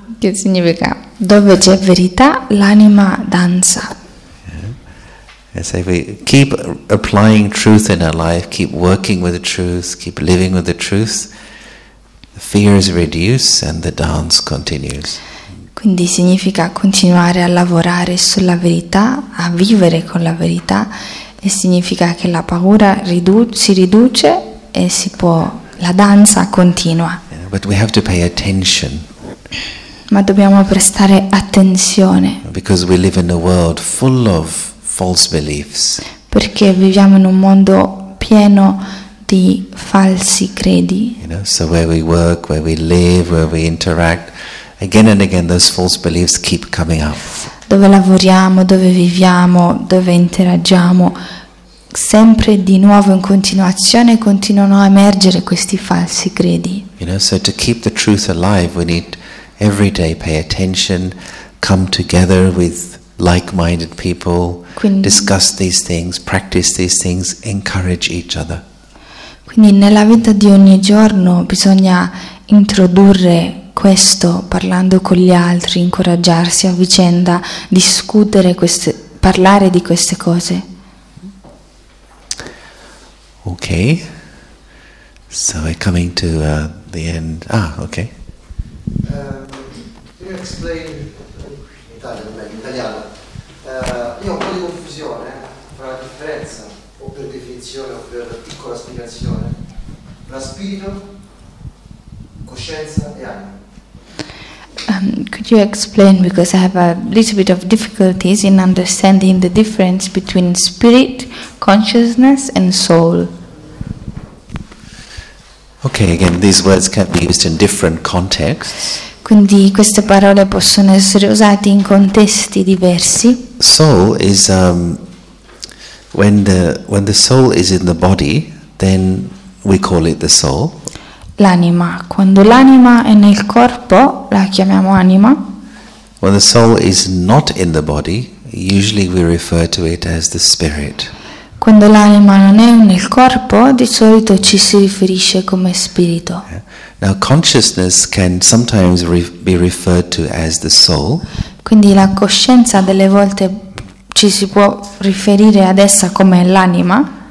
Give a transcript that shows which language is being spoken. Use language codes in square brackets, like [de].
[it] Che significa? Dove c'è verità, l'anima danza. [en] And say we keep applying truth in our life, keep working with the truth, keep living with the truth, the fears reduce and the dance continues. [it] Quindi significa continuare a lavorare sulla verità, a vivere con la verità, e significa che la paura si riduce e si può, la danza continua. [en] Yeah, but we have to pay attention. [it] Ma dobbiamo prestare attenzione. [en] Because we live in a world full of false beliefs. [it] Perché viviamo in un mondo pieno di falsi credi. [en] You know, so where we work, where we live, where we interact, again and again those false beliefs keep coming up. [it] Dove lavoriamo, dove viviamo, dove interagiamo, sempre di nuovo in continuazione continuano a emergere questi falsi credi. [en] You know, so to keep the truth alive we need every day pay attention, come together with like-minded people, [it] quindi, [en] discuss these things, practice these things, encourage each other. [it] Quindi nella vita di ogni giorno bisogna introdurre questo, parlando con gli altri, incoraggiarsi a vicenda, discutere queste, parlare di queste cose. [en] Ok, so we're coming to the end. Ah, ok. Can you explain in italiano? [it] Io ho un po' di confusione tra la differenza, o per definizione, o per piccola spiegazione, tra spirito, coscienza e anima. [en] Could you explain, because I have a little bit of difficulties in understanding the difference between spirit, consciousness and soul. Okay, again, these words can be used in different contexts. [it] Quindi queste parole possono essere usate in contesti diversi. [en] Soul is when the soul is in the body, then we call it the soul. [it] L'anima. Quando l'anima è nel corpo, la chiamiamo anima. [en] When the soul is not in the body, usually we refer to it as the spirit. [it] Quando l'anima non è nel corpo, di solito ci si riferisce come spirito. [en] Yeah. Now consciousness can sometimes be referred to as the soul. [it] Quindi la coscienza delle volte ci si può riferire ad essa come l'anima.